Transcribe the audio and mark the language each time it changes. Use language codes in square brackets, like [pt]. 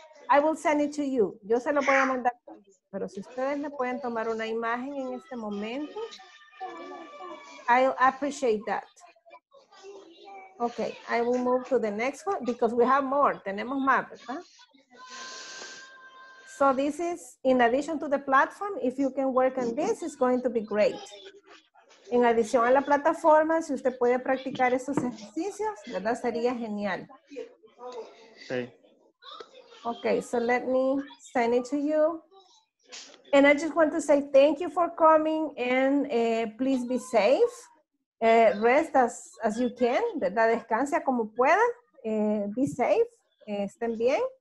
[en] I will send it to you. [es] Yo se lo voy a mandar. Pero si ustedes me pueden tomar una imagen en este momento, [en] I'll appreciate that. Okay, I will move to the next one because we have more. [es] Tenemos más, ¿verdad? [en] So this is, in addition to the platform, if you can work on this, it's going to be great. [es] En adición a la plataforma, si usted puede practicar estos ejercicios, ¿verdad? Sería genial. Sí. [en] Okay, so let me send it to you. And I just want to say thank you for coming and please be safe. Rest as you can, [es] ¿verdad? Descansa como pueda. [en] Be safe. [es] Estén bien.